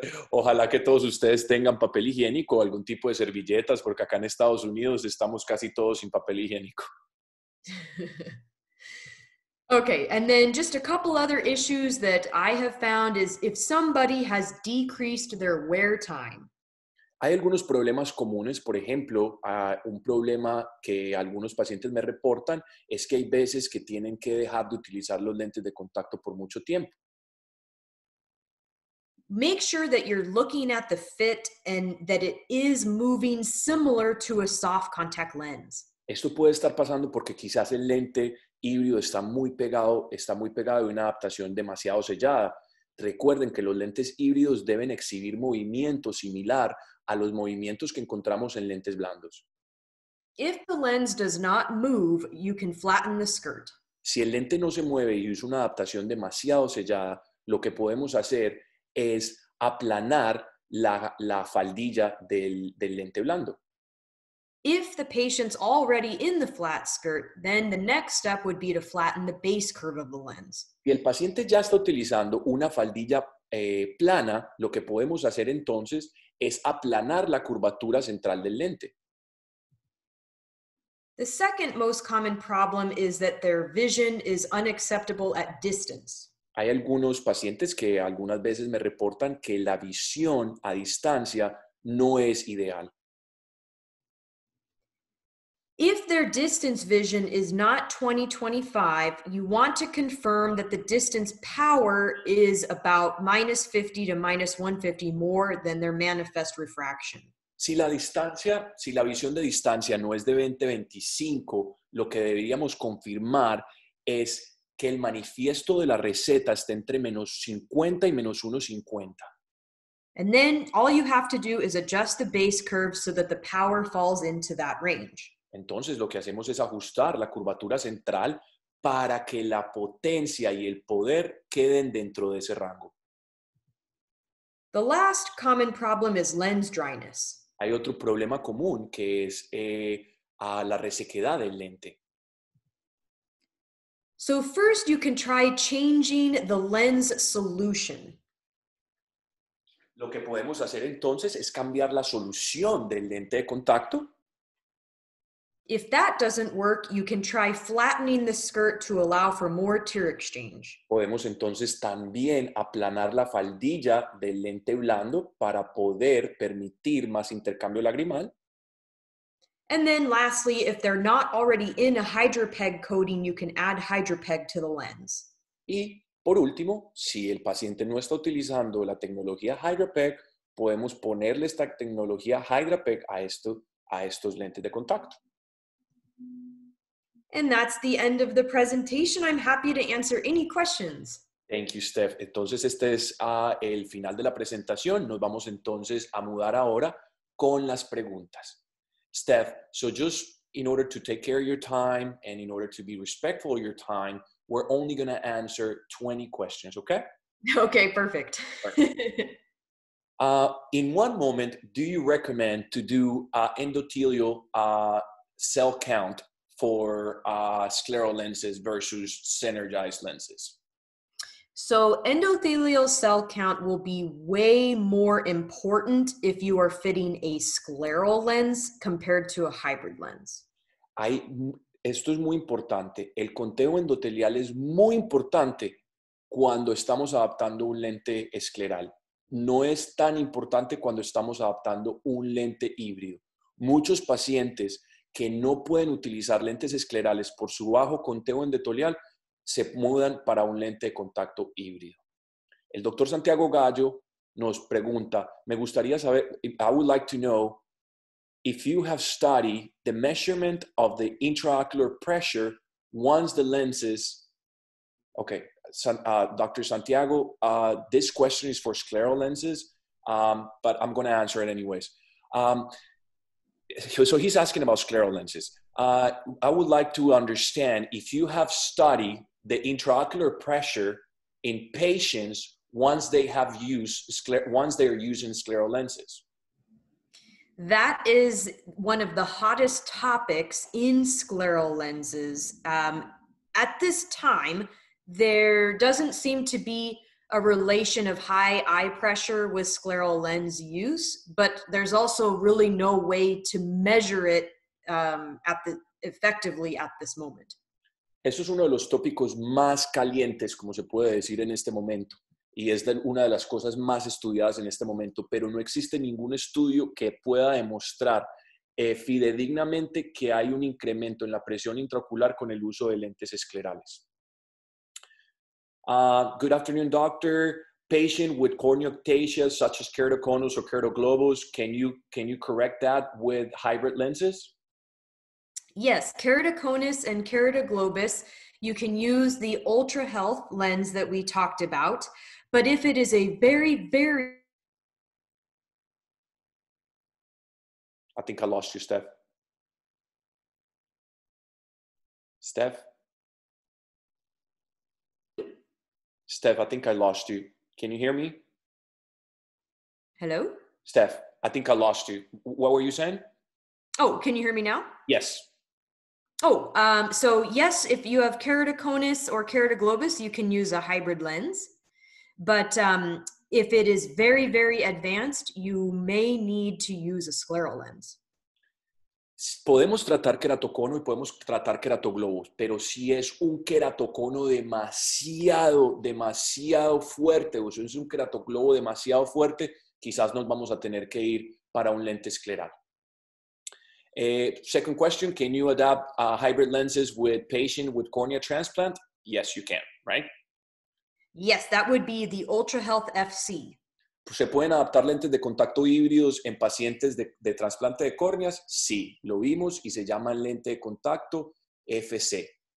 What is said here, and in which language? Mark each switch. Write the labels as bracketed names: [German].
[Spanish] Ojalá que todos ustedes tengan papel higiénico o algún tipo de servilletas, porque acá en Estados Unidos estamos casi todos sin papel higiénico. [English] Okay, and then just a couple other issues that I have found is if somebody has decreased their wear time. [Spanish] Hay algunos problemas comunes, por ejemplo, un problema que algunos pacientes me reportan es que hay veces que tienen que dejar de utilizar los lentes de contacto por mucho tiempo. [English] Make sure that you're looking at the fit and that it is moving similar to a soft contact lens. [Spanish] Esto puede estar pasando porque quizás el lente híbrido está muy pegado y una adaptación demasiado sellada. Recuerden que los lentes híbridos deben exhibir movimiento similar a los movimientos que encontramos en lentes blandos. [English] If the lens does not move, you can flatten the skirt. [Spanish] Si el lente no se mueve y usa una adaptación demasiado sellada, lo que podemos hacer es aplanar la faldilla del lente blando. [English] If the patient's already in the flat skirt, then the next step would be to flatten the base curve of the lens. [Spanish] Si el paciente ya está utilizando una faldilla plana, lo que podemos hacer entonces es aplanar la curvatura central del lente. [English] The second most common problem is that their vision is unacceptable at distance. [Spanish] Hay algunos pacientes que algunas veces me reportan que la visión a distancia no es ideal. [English] If their distance vision is not 20/25, you want to confirm that the distance power is about -50 to -150 more than their manifest refraction. [Spanish] Si la visión de distancia no es de 20/25, lo que deberíamos confirmar es que el manifiesto de la receta está entre -50 y -150. [English] And then all you have to do is adjust the base curve so that the power falls into that range. [Spanish] Entonces, lo que hacemos es ajustar la curvatura central para que la potencia y el poder queden dentro de ese rango. [English] The last common problem is lens dryness. [Spanish] Hay otro problema común que es a la resequedad del lente. [English] So first you can try changing the lens solution. [Spanish] Lo que podemos hacer entonces es cambiar la solución del lente de contacto. [English] If that doesn't work, you can try flattening the skirt to allow for more tear exchange. [Spanish] Podemos entonces también aplanar la faldilla del lente blando para poder permitir más intercambio lagrimal. [English] And then lastly, if they're not already in a hydropeg coating, you can add hydropeg to the lens. [Spanish] Y por último, si el paciente no está utilizando la tecnología hydropeg, podemos ponerle esta tecnología hydropeg a estos lentes de contacto. [English] And that's the end of the presentation. I'm happy to answer any questions. Thank you, Steph. [Spanish] Entonces, este es el final de la presentación. Nos vamos entonces a mudar ahora con las preguntas. [English] Steph, so just in order to take care of your time and in order to be respectful of your time, we're only going to answer 20 questions, okay? Okay, perfect. In one moment, do you recommend to do endothelial cell count for scleral lenses versus synergized lenses? So endothelial cell count will be way more important if you are fitting a scleral lens compared to a hybrid lens. [Spanish] Esto es muy importante. El conteo endotelial es muy importante cuando estamos adaptando un lente escleral. No es tan importante cuando estamos adaptando un lente híbrido. Muchos pacientes que no pueden utilizar lentes esclerales por su bajo conteo endotelial se mudan para un lente de contacto híbrido. El doctor Santiago Gallo nos pregunta, me gustaría saber, [English] I would like to know if you have studied the measurement of the intraocular pressure once the lenses, okay, Dr. Santiago, this question is for scleral lenses, but I'm going to answer it anyways. So he's asking about scleral lenses. I would like to understand if you have studied the intraocular pressure in patients once they have used once they are using scleral lenses. That is one of the hottest topics in scleral lenses. At this time, there doesn't seem to be a relation of high eye pressure with scleral lens use, but there's also really no way to measure it effectively at this moment. [Spanish] Eso es uno de los tópicos más calientes, como se puede decir en este momento, y es una de las cosas más estudiadas en este momento, pero no existe ningún estudio que pueda demostrar fidedignamente que hay un incremento en la presión intraocular con el uso de lentes esclerales. [English] Good afternoon, doctor. Patient with corneoptasia, such as keratoconus or keratoglobus, can you correct that with hybrid lenses? Yes, keratoconus and keratoglobus, you can use the ultra health lens that we talked about. But if it is a very, very... I think I lost you, Steph. Steph? Steph, I think I lost you. Can you hear me? Hello? Steph, I think I lost you. What were you saying? Oh, can you hear me now? Yes. Oh, so yes, if you have keratoconus or keratoglobus, you can use a hybrid lens. But if it is very, very advanced, you may need to use a scleral lens. [Spanish] Podemos tratar keratocono y podemos tratar keratoglobus, pero si es un keratocono demasiado, demasiado fuerte, o si es un keratoglobo demasiado fuerte, quizás nos vamos a tener que ir para un lente escleral. [English] Second question, can you adapt hybrid lenses with patient with cornea transplant? Yes, you can, right? Yes, that would be the Ultra Health FC. [Spanish] ¿Se pueden adaptar lentes de contacto híbridos en pacientes de trasplante de córneas? Sí, lo vimos y se llama lente de contacto FC.